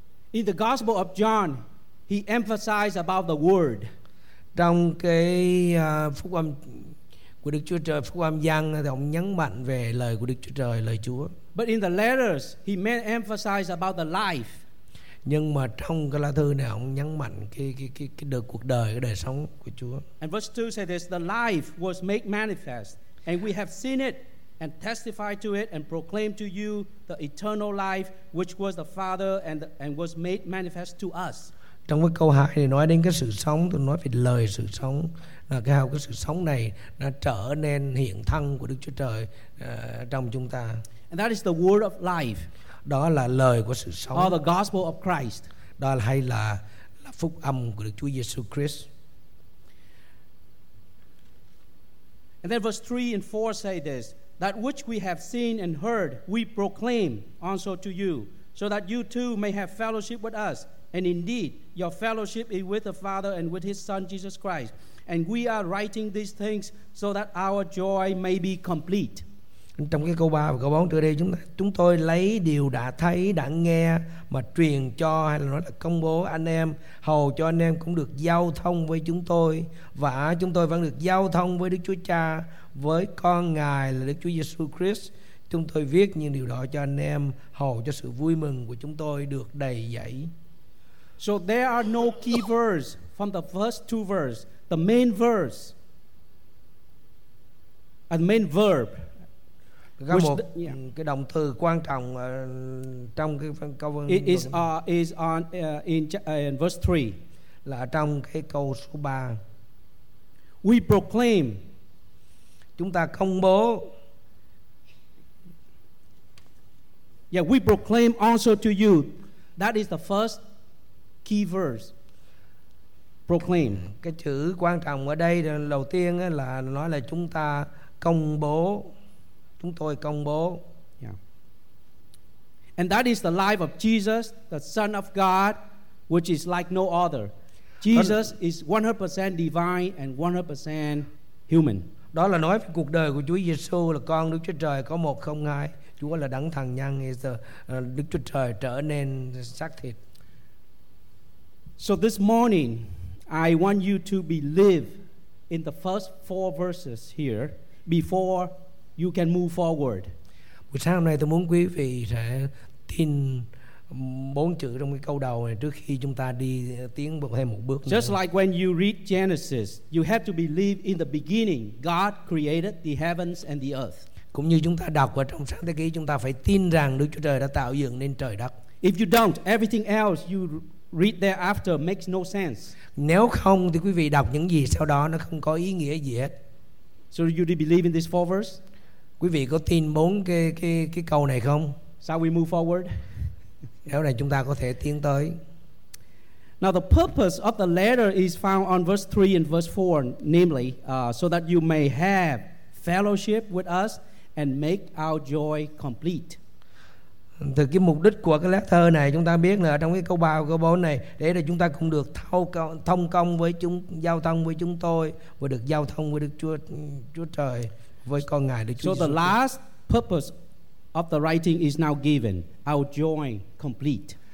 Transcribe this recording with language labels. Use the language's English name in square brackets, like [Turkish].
[English] In the Gospel of John, he emphasized about the word. [Vietnamese] Trong cái phúc âm của Đức Chúa Trời, phúc âm Giăng thì ông nhấn mạnh về lời của Đức Chúa Trời, lời Chúa. [English] But in the letters, he may emphasize about the life. [Vietnamese] Nhưng mà trong cái lá thư này ông nhấn mạnh cái đời cuộc đời, cái đời sống của Chúa. [English] And verse 2 says this, the life was made manifest and we have seen it and testified to it and proclaimed to you the eternal life which was the Father and was made manifest to us. [Vietnamese] Trong cái câu 2 này nói đến cái sự sống, tôi nói về lời sự sống, là cái sự sống này đã trở nên hiện thân của Đức Chúa Trời trong chúng ta. [English] And that is the word of life. [Vietnamese] Đó là lời của sự sống. [English] Or the gospel of Christ. [Vietnamese] Đó là hay là phúc âm của Đức Chúa Giêsu Christ. [English] And then verse 3 and 4 say this, that which we have seen and heard, we proclaim also to you, so that you too may have fellowship with us. And indeed, your fellowship is with the Father and with his Son Jesus Christ. And we are writing these things so that our joy may be complete. [Vietnamese] Trong cái câu 3 và câu 4 trở đây, chúng tôi lấy điều đã thấy, đã nghe mà truyền cho, hay là nói là công bố anh em, hầu cho anh em cũng được giao thông với chúng tôi, và chúng tôi vẫn được giao thông với Đức Chúa Cha, với con Ngài là Đức Chúa Giêsu Christ. Chúng tôi viết những điều đó cho anh em hầu cho sự vui mừng của chúng tôi được đầy dẫy. [English] So there are no key verse from the first two verse, the main verse and main verb. [Vietnamese] Có một cái động từ quan trọng trong cái câu [English] in verse 3, [Vietnamese] là trong cái câu số 3. [English] We proclaim, [Vietnamese] chúng ta công bố. [English] Yeah, we proclaim also to you. That is the first key verse. Proclaim. [Vietnamese] Cái chữ quan trọng ở đây đầu tiên là nói là chúng ta công bố. Chúng tôi công bố. [English] Yeah. And that is the life of Jesus, the Son of God, which is like no other. Jesus is 100% divine and 100% human. [Vietnamese] Đó là nói về cuộc đời của Chúa Giêsu, là con Đức Chúa Trời có 102. Chúa là đấng thần nhân, [English] is the [Vietnamese] Đức Chúa Trời trở nên xác thịt. [English] So this morning, I want you to believe in the first four verses here before you can move forward. [Vietnamese] Buổi sáng hôm nay tôi muốn quý vị sẽ tin bốn chữ trong cái câu đầu này trước khi chúng ta đi tiến bước thêm một bước. [English] Just like when you read Genesis, you have to believe in the beginning God created the heavens and the earth. [Vietnamese] Cũng như chúng ta đọc ở trong Sáng Thế Ký, chúng ta phải tin rằng Đức Chúa Trời đã tạo dựng nên trời đất. [English] If you don't, everything else you read thereafter makes no sense. [Vietnamese] Nếu không thì quý vị đọc những gì sau đó nó không có ý nghĩa gì hết. [English] So you do believe in these four verses? [Vietnamese] Quý vị có tin bốn cái câu này không? [English] Shall we move forward? [Vietnamese] Nếu này chúng ta có thể tiến tới. [English] Now the purpose of the letter is found on verse 3 and verse 4, namely, so that you may have fellowship with us and make our joy complete. [Vietnamese] Từ cái mục đích của cái lá thư này, chúng ta biết là trong cái câu 3 câu 4 này, để là chúng ta cũng được thông công với chúng, giao thông với chúng tôi, và được giao thông với Đức Chúa Trời, với con Ngài Đức Chúa [English] Jesus. So the last purpose of the writing is now given, our joy complete.